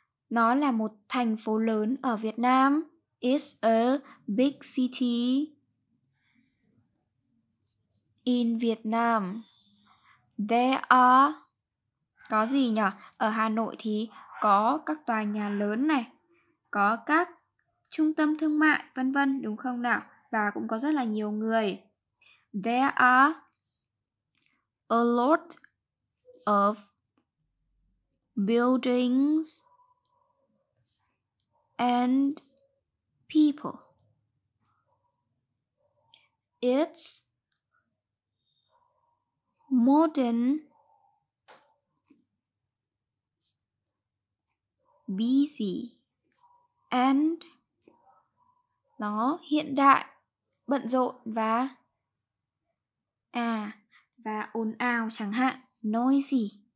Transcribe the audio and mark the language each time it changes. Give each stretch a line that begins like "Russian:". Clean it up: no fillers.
Vietnamese: Nó là một thành phố lớn ở Việt Nam.
English: It's a big city in Vietnam. There are...
Vietnamese: Có gì nhỉ? Ở Hà Nội thì có các tòa nhà lớn này, có các trung tâm thương mại, vân vân, đúng không nào? Và cũng có rất là nhiều người.
English: There are a lot of buildings and people. It's modern, busy, and
Vietnamese: nó hiện đại, bận rộn và và ồn ào chẳng hạn, noisy.